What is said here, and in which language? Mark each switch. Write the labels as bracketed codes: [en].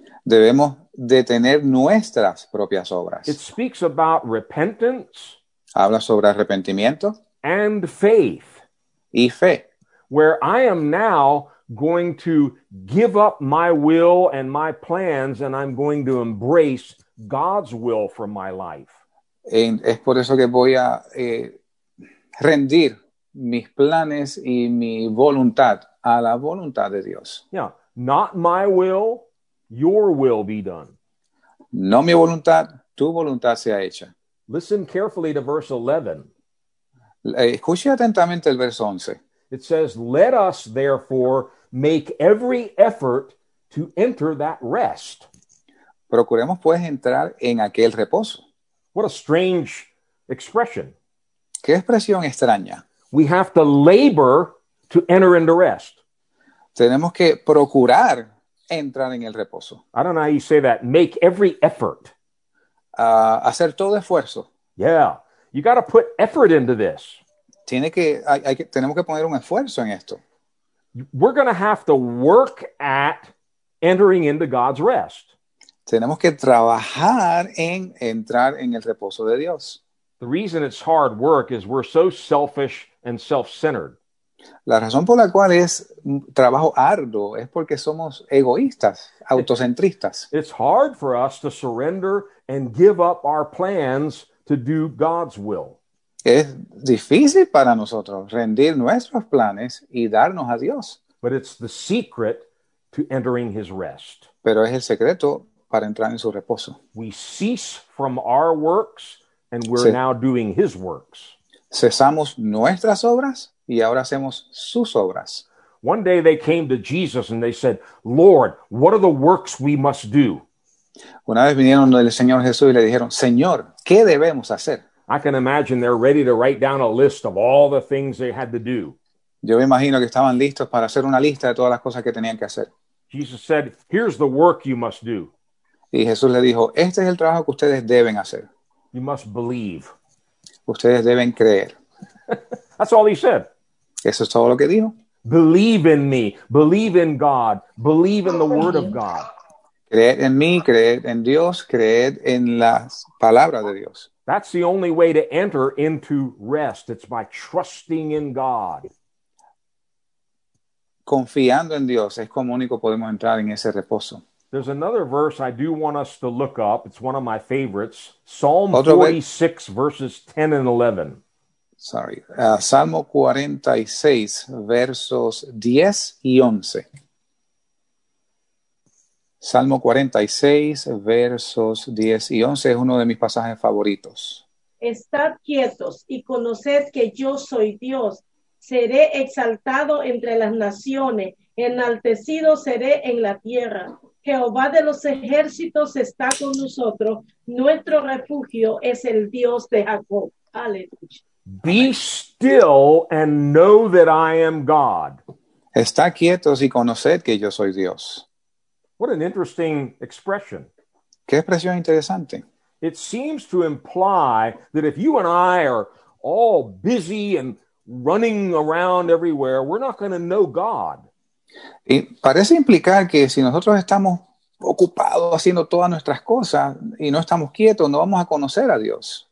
[es] Debemos detener nuestras propias obras. [en] It speaks about repentance. [es] Habla sobre arrepentimiento. [en] And faith. [es] Y fe. [en] Where I am now going to give up my will and my plans, and I'm going to embrace God's will for my life. [es] Es por eso que voy a rendir mis planes y mi voluntad a la voluntad de Dios. [en] Yeah, not my will, your will be done. [es] No mi voluntad, tu voluntad sea hecha. [en] Listen carefully to verse 11. [es] Escuche atentamente el verso 11. [en] It says, let us therefore make every effort to enter that rest. [es] Procuremos pues entrar en aquel reposo. [en] What a strange expression. [es] ¿Qué expresión extraña? [en] We have to labor to enter into rest. [es] Tenemos que procurar entrar en el reposo. [en] I don't know how you say that. Make every effort. [es] Hacer todo esfuerzo. [en] Yeah. You got to put effort into this. [es] Tenemos que poner un esfuerzo en esto. [en] We're going to have to work at entering into God's rest. [es] Tenemos que trabajar en entrar en el reposo de Dios. [en] The reason it's hard work is we're so selfish and self-centered. [es] La razón por la cual es trabajo arduo es porque somos egoístas, autocentristas. [en] It's hard for us to surrender and give up our plans to do God's will. [es] Es difícil para nosotros rendir nuestros planes y darnos a Dios. [en] But it's the secret to entering his rest. [es] Pero es el secreto para entrar en su reposo. [en] We cease from our works and we're now doing his works. [es] Cesamos nuestras obras y ahora hacemos sus obras. [en] One day they came to Jesus and they said, Lord, what are the works we must do? [es] Una vez vinieron el Señor Jesús y le dijeron, Señor, ¿qué debemos hacer? [en] I can imagine they're ready to write down a list of all the things they had to do. [es] Yo me imagino que estaban listos para hacer una lista de todas las cosas que tenían que hacer. [en] Jesus said, here's the work you must do. [es] Y Jesús le dijo, este es el trabajo que ustedes deben hacer. [en] You must believe. [es] Ustedes deben creer. [en] That's all he said. [es] Eso es todo lo que dijo. [en] Believe in me. Believe in God. Believe in the word of God. [es] Creed en mí, creed en Dios, creed en las palabras de Dios. [en] That's the only way to enter into rest. It's by trusting in God. [es] Confiando en Dios es como único podemos entrar en ese reposo. [en] There's another verse I do want us to look up. It's one of my favorites. Psalm 46, verses 10 and 11. [es] Sorry. Salmo 46, versos 10 y 11. Salmo 46, versos 10 y 11 es uno de mis pasajes favoritos. Estad quietos y conoced que yo soy Dios. Seré exaltado entre las naciones, enaltecido seré en la tierra. Jehová de los ejércitos está con nosotros. Nuestro refugio es el Dios de Jacob. Aleluya. [en] Be still and know that I am God. [es] Estad quietos y conoced que yo soy Dios. [en] What an interesting expression. [es] ¿Qué expresión interesante? [en] It seems to imply that if you and I are all busy and running around everywhere, we're not going to know God. [es] Y parece implicar que si nosotros estamos ocupados haciendo todas nuestras cosas y no estamos quietos, no vamos a conocer a Dios.